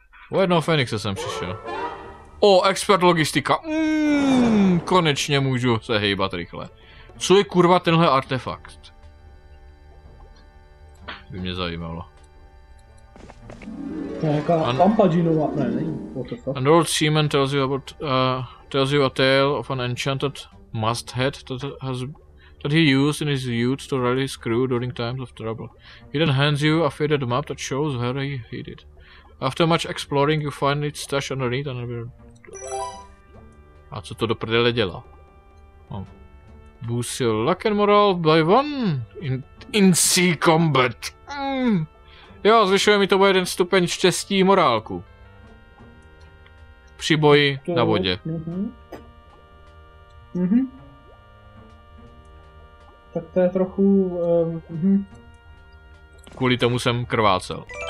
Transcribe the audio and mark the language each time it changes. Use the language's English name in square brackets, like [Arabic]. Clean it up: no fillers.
[Czech] U jednoho Fénixe jsem přišel. O, expert logistika. Konečně můžu se hejbat rychle. Co je kurva tenhle artefakt? By mě zajímalo. To je nějaká lampa džinová, ne, nevím. [English] An old seaman tells you a tale of an enchanted masthead that he used in his youth to rally his crew during times of trouble. He then hands you a faded map that shows where he hid it. After much exploring, you find it stashed underneath and... [Czech] A co to do prdele dělá? [English] Boost your luck and morale by one in sea combat. [Czech] Jo, zvyšuje mi to o jeden stupeň štěstí morálku. Při boji na vodě. Tak to je trochu... Kvůli tomu jsem krvácel.